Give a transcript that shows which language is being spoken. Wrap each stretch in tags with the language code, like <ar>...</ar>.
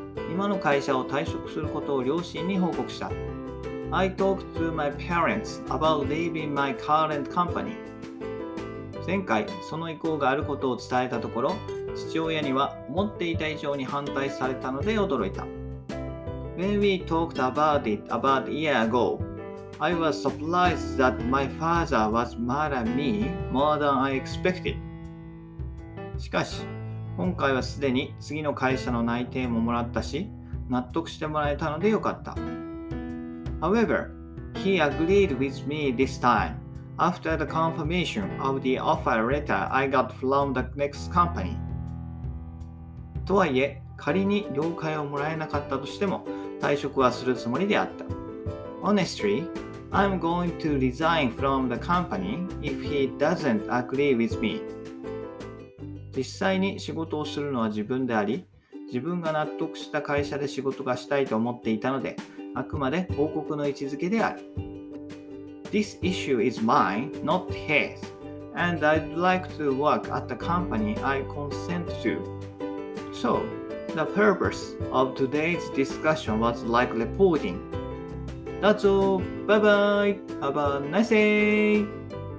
<ja>今の会社を退職することを両親に報告した。</ja> <en>I talked to my parents about leaving my current company.</en> <ja>前回その意向があることを伝えたところ、父親には思っていた以上に反対されたので驚いた。</ja> <en>When we talked about it about a year ago, I was surprised that my father was mad at me more than I expected.</en> <ja>しかし、今回はすでに次の会社の内定ももらったし、納得してもらえたのでよかった。</ja> <en>However, he agreed with me this time, after the confirmation of the offer letter I got from the next company.</en> <ja>とはいえ、仮に了解をもらえなかったとしても、退職はするつもりであった。</ja> <en>Honestly, I'm going to resign from the company if he doesn't agree with me.</en> <ja>実際に仕事をするのは自分であり、自分が納得した会社で仕事がしたいと思っていたので、あくまで報告の位置づけである。</ja> <en>This issue is mine, not his, and I'd like to work at the company I consent to. So,The purpose of today's discussion was like reporting. That's all. Bye bye. Have a nice day.</en>